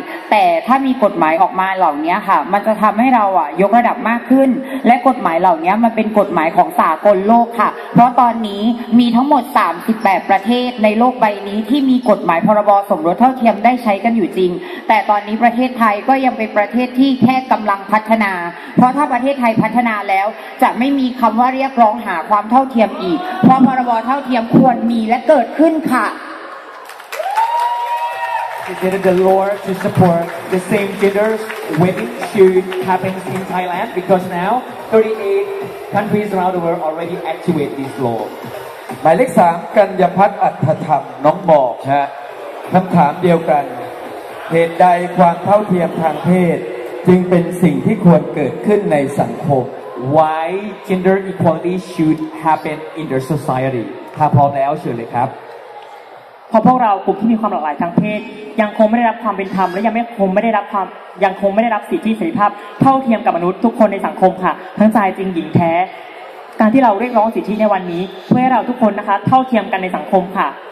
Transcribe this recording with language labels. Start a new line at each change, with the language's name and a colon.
Thai: แต่ถ้ามีกฎหมายออกมาเหล่านี้ค่ะมันจะทำให้เราอะยกระดับมากขึ้นและกฎหมายเหล่านี้มันเป็นกฎหมายของสากลโลกค่ะเพราะตอนนี้มีทั้งหมด38ประเทศในโลกใบนี้ที่มีกฎหมายพรบสมรสเท่าเทียมได้ใช้กันอยู่จริงแต่ตอนนี้ประเทศไทยก็ยังเป็นประเทศที่แค่กำลังพัฒนาเพราะถ้าประเทศไทยพัฒนาแล้วจะไม่มีคำว่าเรียกร้องหาความเท่าเทียมอีกเพราะพรบเท่าเทียมควรมีและเกิดขึ้นค่ะ
English: To get the law to support the same gender wedding should happen in Thailand because now 38 countries around the world already activate this law.
Thai: หมายเลข3กัญญพัฒน์อัตถธรรมน้องบอกฮะคำถามเดียวกันเหตุใดความเท่าเทียมทางเพศจึงเป็นสิ่งที่ควรเกิดขึ้นในสังคม
English: Why gender equality should happen in the society?
Thai: ถ้าพร้อมแล้วเชิญเลยครับ เพราะพวกเรากลุ่มที่มีความหลากหลายทางเพศยังคงไม่ได้รับความเป็นธรรมและยังคงไม่ได้รับสิทธิเสรีภาพเท่าเทียมกับมนุษย์ทุกคนในสังคมค่ะทั้งชายจริงหญิงแท้การที่เราเรียกร้องสิทธิในวันนี้เพื่อให้เราทุกคนนะคะเท่าเทียมกันในสังคมค่ะ